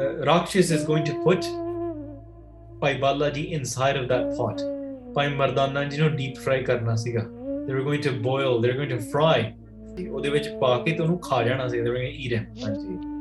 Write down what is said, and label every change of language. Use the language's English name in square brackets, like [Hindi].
[English] Rakshis is going to put Pai Balaji inside of that pot. [Punjabi] Bhai Mardana ji no deep fry ਕਰਨਾ ਸੀਗਾ. [English] They were going to boil, they're going to fry. They were going to eat him.